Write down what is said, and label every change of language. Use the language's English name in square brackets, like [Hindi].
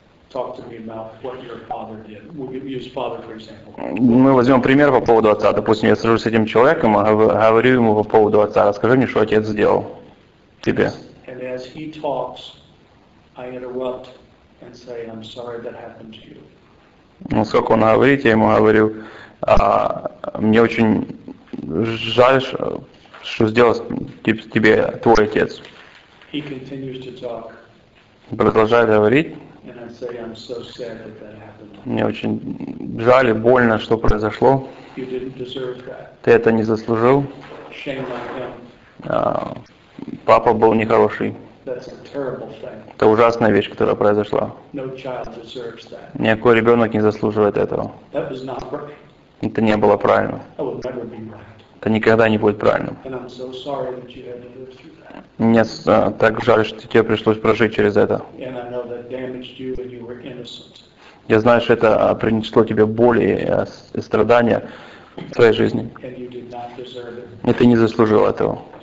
[English] Talk to me about what your father did. We'll give you his father, for example. [Russian] Мы возьмем пример по поводу отца. Допустим, я сажусь с этим человеком, а говорю ему по поводу отца. Расскажи мне, что отец сделал тебе. [English] And as he talks, I interrupt and say, I'm sorry that happened to you. [Russian] Ну, сколько он говорит, я ему говорю, мне очень жаль, что сделал тебе твой отец. [English] He continues to talk. [Russian] Продолжает говорить. [English] And I say, I'm so sad that that happened. [Russian] Мне очень жаль и больно, что произошло. [English] You didn't deserve that. [Russian] Ты это не заслужил. [English] Shame on him. [Russian] Папа был нехороший. [English] That's a terrible thing. [Russian] Это ужасная вещь, которая произошла. [English] No child deserves that. [Russian] Никакой ребенок не заслуживает этого. [English] That was not right. [Russian] Это не было правильно. [English] That would never be right. [Russian] Это никогда не будет правильным. [English] And I'm so sorry that you had to live through. [Russian] Мне так жаль, что тебе пришлось прожить через это. Я знаю, что это принесло тебе боли и страдания в твоей жизни. И ты не заслужил этого.